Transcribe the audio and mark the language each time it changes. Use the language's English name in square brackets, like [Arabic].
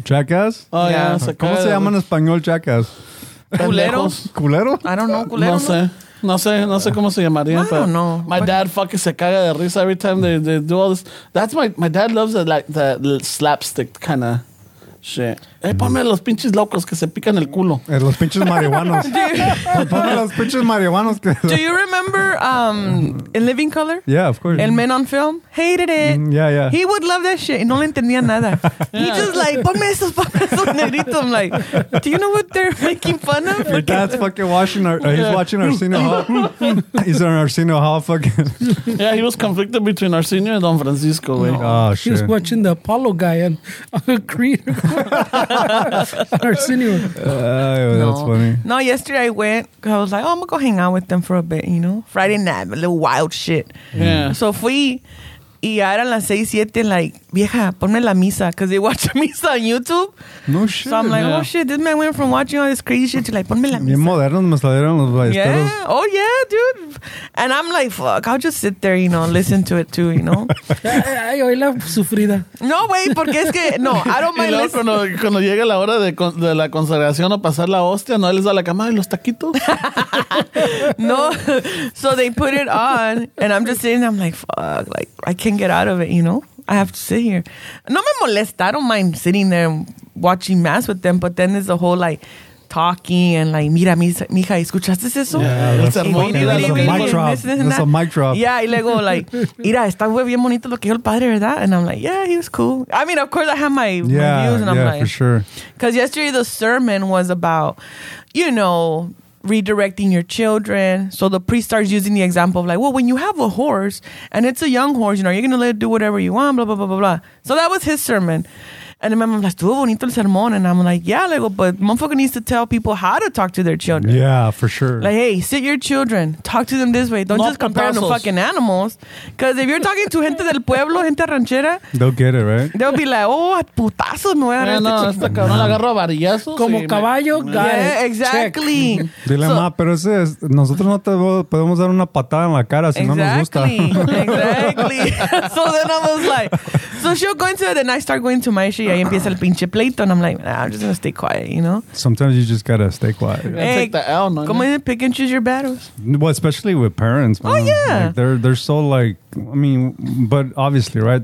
[English] Jackass? Oh, yeah. [Spanish] ¿Cómo se llama en español Jackass? ¿Culeros? ¿Culero? [English] I don't know. ¿Culero? [Spanish] No sé. No sé cómo se llamaría. [English] I don't know. My dad fucking [Spanish] se caga de risa [English] every time they do all this. That's my dad loves the slapstick kind of shit. [Spanish] Ponme los pinches locos que se pican el culo. Los pinches marihuanos. Ponme los pinches marihuanos que... [English] Do you remember In Living Color? Yeah, of course. El Men on Film? Hated it. Mm, yeah, yeah. He would love that shit. [Spanish] No le entendía nada. [English] Yeah. He just like, [Spanish] ponme esos negritos. [English] I'm like, do you know what they're making fun of? Your dad's fucking watching our... he's watching Arsenio Hall. He's on Arsenio Hall fucking... Yeah, he was conflicted between Arsenio and Don Francisco. No. Right? Oh, sure. He was watching the Apollo guy and Creed. Arsenio. That's funny. No, yesterday I went because I was like, oh, I'm going to go hang out with them for a bit, you know? Friday night, a little wild shit. Yeah. [Spanish] So fui y eran las 6:07, like, vieja, ponme la misa [English] because they watch a misa on YouTube. [Spanish] No shit. [English] So I'm like, oh shit, this man went from watching all this crazy shit to like, [Spanish] ponme la misa. Bien modernos me salieron los ballesteros. [English] Yeah. Oh, yeah, dude. And I'm like, fuck, I'll just sit there, you know, listen to it too, you know? [Spanish] Ay, hoy la sufrida. No, güey, porque es que, no, [English] I don't mind listening. [Spanish] Cuando llega la hora de la consagración o pasar la hostia, ¿no les da la cama de los taquitos? No. [English] So they put it on, and I'm just sitting there, I'm like, fuck, like, I can't get out of it, you know? I have to sit here. [Spanish] No me molesta, [English] I don't mind sitting there watching mass with them, but then there's the whole, like, talking and like, [Spanish] mira, mija, ¿escuchaste eso? [English] Yeah, that's a mic drop. That's a mic drop. [Spanish] Yeah, y luego like, mira, está bien bonito lo que dijo el padre, ¿verdad? [English] And I'm like, yeah, he was cool. I mean, of course, I have my views, and I'm yeah, like, yeah, for sure. Because yesterday the sermon was about, you know, redirecting your children. So the priest starts using the example of like, well, when you have a horse and it's a young horse, you know, you're going to let it do whatever you want, blah, blah, blah, blah, blah. So that was his sermon. And my mom's like, [Spanish] estuvo bonito el sermón. [English] And I'm like, yeah, Lego, but motherfucker needs to tell people how to talk to their children. Yeah, for sure. Like, hey, sit your children. Talk to them this way. Don't just compare them to fucking animals. Because if you're talking to [Spanish] gente del pueblo, gente ranchera. [English] They'll get it, right? They'll be like, oh, [Spanish] putazo, me voy a dar este chico. Esta cabrón la agarro a varillazos. Como caballo, guys. [English] Yeah, exactly. [Spanish] Dile, ma, pero ese es, nosotros no te podemos dar una patada en la cara si no nos gusta. [English] Exactly. So then I was like, so she'll go into it and I start going to my shit. [Spanish] Ahí empieza el pinche pleito, [English] and I'm like, nah, I'm just gonna stay quiet, you know. Sometimes you just gotta stay quiet. Hey, take the L, no. Come on, pick and choose your battles. Well, especially with parents. Oh man. Yeah, like, they're so like, I mean, but obviously, right?